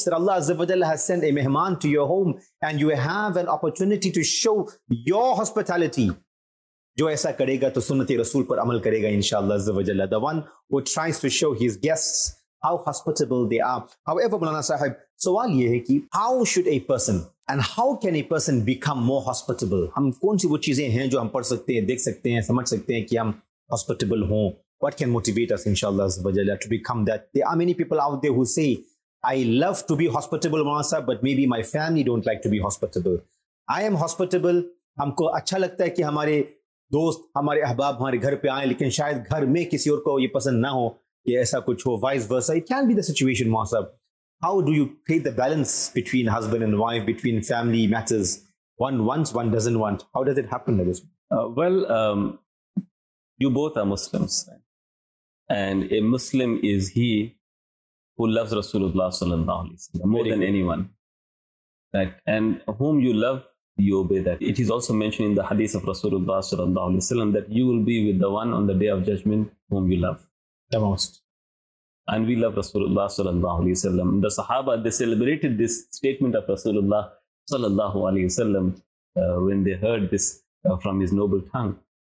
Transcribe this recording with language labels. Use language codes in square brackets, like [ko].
[en] Sir Allah Azza wa Jalla has sent a mehman to your home, and you have an opportunity to show your hospitality, [ur] جو ایسا کرے گا تو سنت رسول پر عمل کرے گا انشاءاللہ عز و جل. [en] The one who tries to show his guests how hospitable they are. However, Mulana Sahib, [ur] سوال یہ ہے کہ [en] how should a person and how can a person become more hospitable? [ur] ہم کون سی وہ چیزیں ہیں جو ہم پڑھ سکتے ہیں, دیکھ سکتے ہیں, سمجھ سکتے ہیں کہ ہم hospitable ہوں. [en] What can motivate us, inshallah, عز و جل, to become that? There are many people out there who say, I love to be hospitable, Mulana Sahib, but maybe my family don't like to be hospitable. I am hospitable. [ur] ہم کو اچھا لگتا ہے کہ ہمارے دوست, ہمارے احباب ہمارے گھر پہ آئیں, لیکن شاید گھر میں کسی اور کو یہ پسند نہ ہو کہ ایسا کچھ ہو, [en] Vice versa. It can be the situation مولانا صاحب. How do you create the balance between husband and wife, between family matters, one wants one doesn't want, how does it happen? Well, you both are Muslims, and a Muslim is he who loose رسول اللہ صلی اللہ علیہ وسلم مور than anyone, and whom you love you obey that. It is also mentioned in the hadith of Rasulullah sallallahu alaihi wasallam that you will be with the one on the day of judgment whom you love the most. And we love Rasulullah sallallahu alaihi wasallam. The sahaba, they celebrated this statement of Rasulullah sallallahu alaihi wasallam when they heard this from his noble tongue.